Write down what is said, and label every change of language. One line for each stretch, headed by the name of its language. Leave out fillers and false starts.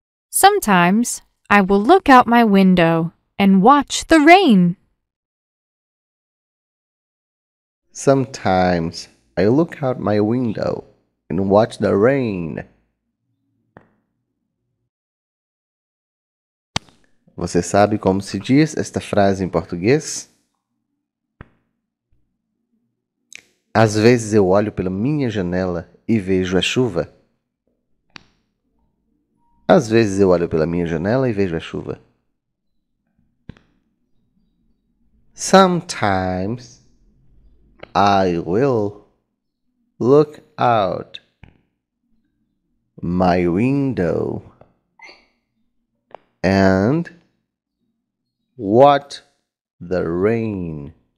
English: Sometimes, I will look out my window and watch the rain. Sometimes, I look out my window and watch the rain.
Portuguese: Você sabe como se diz esta frase em português? Às vezes eu olho pela minha janela e vejo a chuva. Às vezes eu olho pela minha janela e vejo a chuva.
English: Sometimes I will look out my window and watch the rain.